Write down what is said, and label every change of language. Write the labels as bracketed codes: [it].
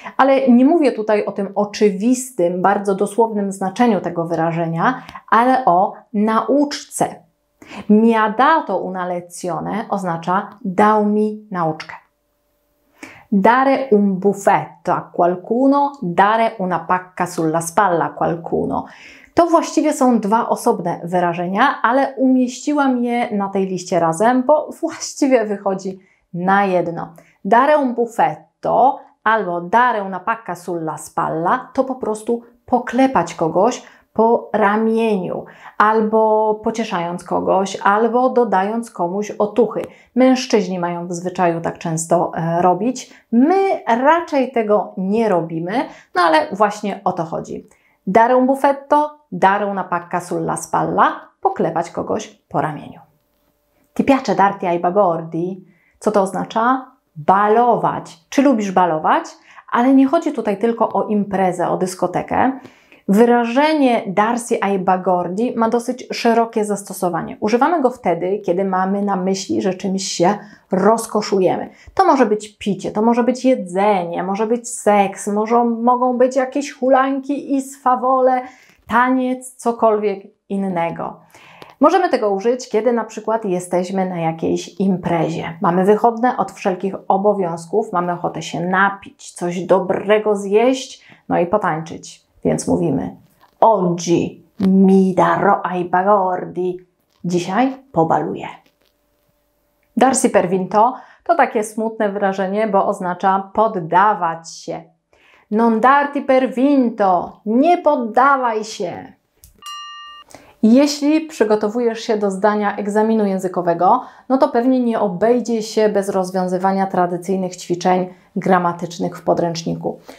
[pl] Ale nie mówię tutaj o tym oczywistym, bardzo dosłownym znaczeniu tego wyrażenia, ale o nauczce. [it] Mi ha dato una lezione [pl] oznacza dał mi nauczkę. [it] Dare un buffetto a qualcuno, dare una pacca sulla spalla a qualcuno. [pl] To właściwie są dwa osobne wyrażenia, ale umieściłam je na tej liście razem, bo właściwie wychodzi na jedno. [it] Dare un buffetto [pl] albo [it] dare una pacca sulla spalla [pl] to po prostu poklepać kogoś po ramieniu, albo pocieszając kogoś, albo dodając komuś otuchy. Mężczyźni mają w zwyczaju tak często robić. My raczej tego nie robimy, no ale właśnie o to chodzi. [it] Dare un buffetto, dare una pacca sulla spalla, [pl] poklepać kogoś po ramieniu. [it] Ti piace darti ai bagordi? [pl] Co to oznacza? Balować. Czy lubisz balować? Ale nie chodzi tutaj tylko o imprezę, o dyskotekę. Wyrażenie darsi ai bagordi ma dosyć szerokie zastosowanie. Używamy go wtedy, kiedy mamy na myśli, że czymś się rozkoszujemy. To może być picie, to może być jedzenie, może być seks, mogą być jakieś hulanki i sfawole, taniec, cokolwiek innego. Możemy tego użyć, kiedy na przykład jesteśmy na jakiejś imprezie. Mamy wychodne od wszelkich obowiązków, mamy ochotę się napić, coś dobrego zjeść, no i potańczyć. Więc mówimy, [it] oggi mi darò ai bagordi. [pl] Dzisiaj pobaluję. Darsi per vinto to takie smutne wyrażenie, bo oznacza poddawać się. [it] Non darti per vinto, [pl] nie poddawaj się. Jeśli przygotowujesz się do zdania egzaminu językowego, no to pewnie nie obejdzie się bez rozwiązywania tradycyjnych ćwiczeń gramatycznych w podręczniku.